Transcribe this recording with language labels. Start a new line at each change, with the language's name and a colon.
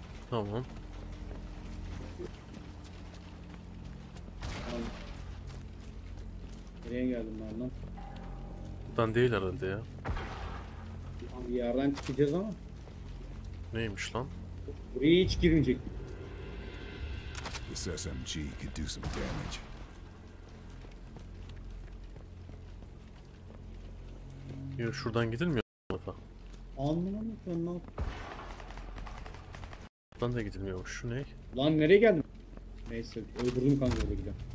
Turkish: Tamam. Nereye geldim ben lan? Buradan değil herhalde ya. Lan bir yerden çıkacağız ama. Neymiş lan? Buraya hiç girmeyecek.
English: This SMG could do some damage.
Turkish: Yo, şuradan gidilmiyor bu tarafa. Anlamam ki ben lan. Buradan da gidilmiyormuş. Şu ne? Lan nereye geldim? Neyse, öldürdüm kanka, öyle gidelim.